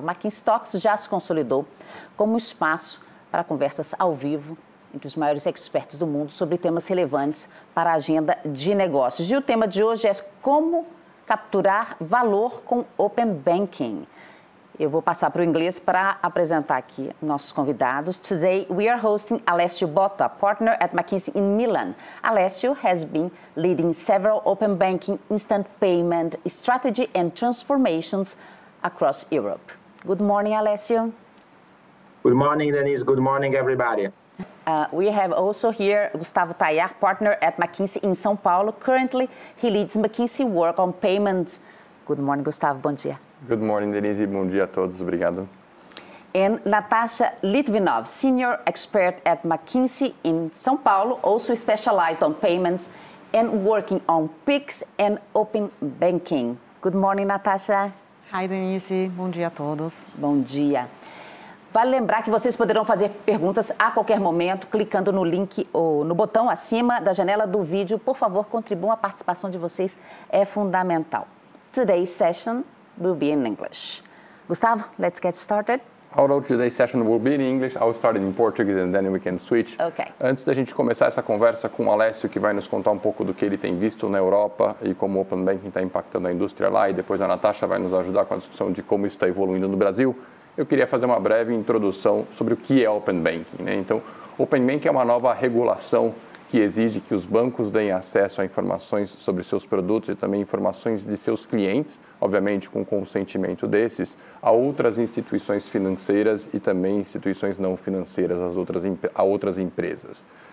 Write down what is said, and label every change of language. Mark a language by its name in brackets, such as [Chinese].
[Portuguese] McKinsey Talks já se consolidou como espaço para conversas ao vivo entre os maiores experts do mundo sobre temas relevantes para a agenda de negócios. E o tema de hoje é como capturar valor com Open Banking. Eu vou passar para o inglês para apresentar aqui nossos convidados. [English] Today we are hosting Alessio Botta, partner at McKinsey in Milan. Alessio has been leading several open banking, instant payment strategy and transformations across Europe. Good morning, Alessio. Good morning, Denise. Good morning, everybody. We have also here Gustavo Tayar, partner at McKinsey in São Paulo. Currently, he leads McKinsey work on payments. Good morning, Gustavo. [Portuguese] Bom dia. [English] Good morning, Denise. [Portuguese] Bom dia a todos. Obrigado. [English] And Natasha Litvinov, senior expert at McKinsey in São Paulo, also specialized on payments and working on PIX and open banking. Good morning, Natasha. Hi, Denise. [Portuguese] Bom dia a todos. Bom dia. Vale lembrar que vocês poderão fazer perguntas a qualquer momento clicando no link ou no botão acima da janela do vídeo. Por favor, contribuam. A participação de vocês é fundamental. [English] Today's session will be in English. Gustavo, let's get started. Although today's session will be in English, I'll start in Portuguese and then we can switch. Okay. [Portuguese] Antes da gente começar essa conversa com o Alessio, que vai nos contar um pouco do que ele tem visto na Europa e como o Open Banking está impactando a indústria lá, e depois a Natasha vai nos ajudar com a discussão de como isso está evoluindo no Brasil, eu queria fazer uma breve introdução sobre o que é Open Banking, né? Então, Open Banking é uma nova regulação que exige que os bancos deem acesso a informações sobre seus produtos e também informações de seus clientes, obviamente com consentimento desses, a outras instituições financeiras e também instituições não financeiras, a outras empresas.